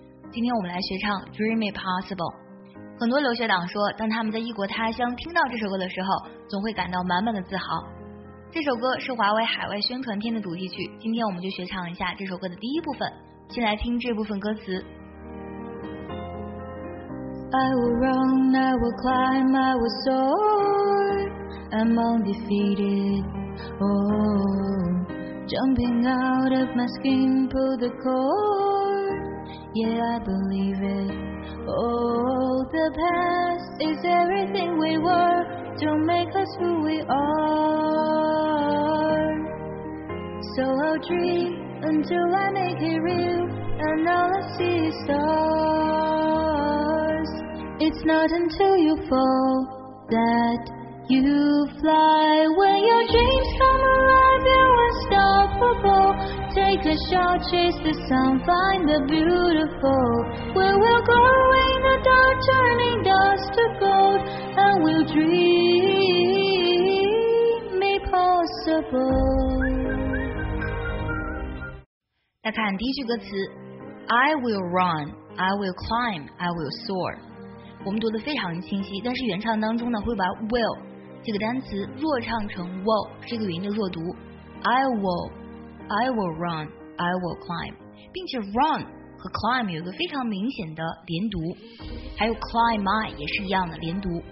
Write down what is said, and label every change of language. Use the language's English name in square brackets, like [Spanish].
[Chinese] 今天我们来学唱 Dream It Possible。很多留学党说，当他们在异国他乡听到这首歌的时候，总会感到满满的自豪。这首歌是华为海外宣传片的主题曲，今天我们就学唱一下这首歌的第一部分。先来听这部分歌词。 [English] I will run, I will climb, I will soar, I'm undefeated, oh, jumping out of my skin, pull the cord, yeah, I believe it, oh, the past is everything we were, don't make us who we are, so I'll dream until I make it real, and all I see is stars. It's not until you fall that you fly. When your dreams come alive, you're unstoppable. Take a shot, chase the sun, find the beautiful. Where we'll go in the dark, turning dust to gold, and we'll dream it possible. [Chinese] 再看第一句歌词， [English] I will run, I will climb, I will soar， [Chinese] 我们读得非常清晰，但是原唱当中呢会把 will 这个单词弱唱成 will， 是一个元音的弱读。 [English] I will run, I will climb， [Chinese] 并且 run 和 climb 有一个非常明显的连读，还有 climb I 也是一样的连读。